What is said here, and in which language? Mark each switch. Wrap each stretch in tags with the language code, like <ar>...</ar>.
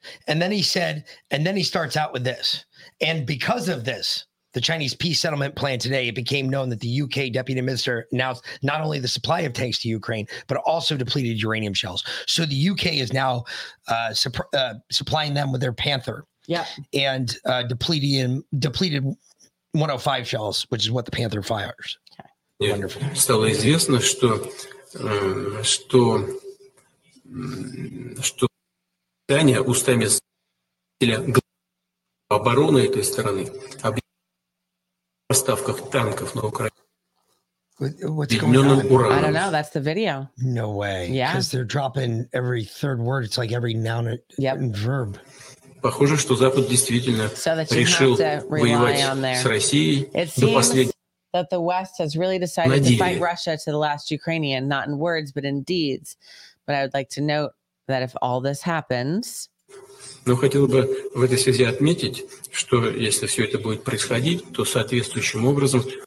<en>And then he said, and then he starts out with this. And because of this, the Chinese peace settlement plan today, it became known that the UK deputy minister announced not only the supply of tanks to Ukraine, but also depleted uranium shells. So the UK is now supplying them with their Panther. Yeah. And depleted 105 shells, which is what the Panther fires. Okay. Wonderful.</en> <ru>Стало известно, что Дания устами главы обороны этой страны об поставках танков на Украину.</ru> <en>What's going on? I don't know. That's the video. No way. Yeah. Because they're dropping every third word. It's like every noun and verb.</en> <ru>Похоже, что Запад действительно решил воевать с Россией до последнего.</ru> <en>That the West has really decided to fight Russia to the last Ukrainian, not in words, but in deeds. But I would like to note that if all this happens.</en> <ru>Но хотел бы в этой связи отметить, что если все это будет происходить, то соответствующим образом.</ru>